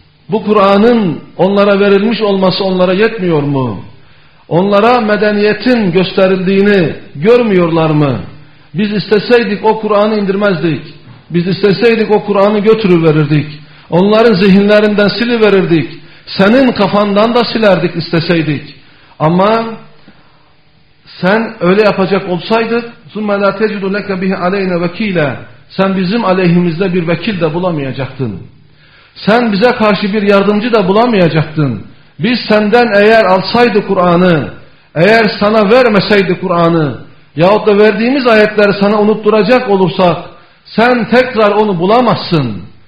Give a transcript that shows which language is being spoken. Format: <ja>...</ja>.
<tr>Bu Kur'an'ın onlara verilmiş olması onlara yetmiyor mu? Onlara medeniyetin gösterildiğini görmüyorlar mı? Biz isteseydik o Kur'an'ı indirmezdik. Biz isteseydik o Kur'an'ı götürüverirdik. Onların zihinlerinden siliverirdik. Senin kafandan da silerdik isteseydik. Ama sen öyle yapacak olsaydık</tr> <ar>ثُمَّ لَا تَجِدُ لَكَ بِهِ عَلَيْنَ وَكِيلًا.</ar> <tr>Sen bizim aleyhimizde bir vekil de bulamayacaktın. Sen bize karşı bir yardımcı da bulamayacaktın. Biz senden eğer alsaydı Kur'an'ı, eğer sana vermeseydi Kur'an'ı, yahut da verdiğimiz ayetleri sana unutturacak olursak, sen tekrar onu bulamazsın.</tr>